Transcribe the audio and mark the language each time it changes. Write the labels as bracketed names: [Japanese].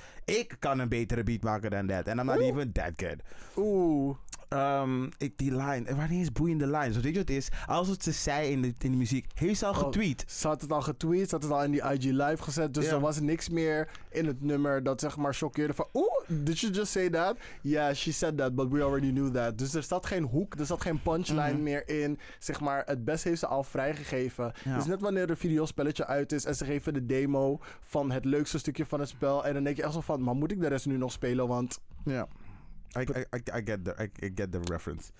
[Dutch] Ik kan een betere beat maken dan dat. [English] And I'm not even that good. Oeh. [Dutch] Die line. Wanneer is boeiende line? Dus weet je wat het is? Als het ze zei in de muziek, heeft ze al getweet. Ze had het al getweet, ze had het al in die IG live gezet. Dus er was niks meer in het nummer dat zeg maar choqueerde van, oeh, [English] did she just say that? Yeah, she said that, but we already knew that. [Dutch] Dus er zat geen hoek, er zat geen punchline meer in. Zeg maar, het best heeft ze al vrijgegeven. Ja. Dus net wanneer een videospelletje uit is en ze geven de demo van het leukste stukje van het spel. En dan denk je echt zo van, maar moet ik de rest nu nog spelen? Want [English] ja. I get the reference.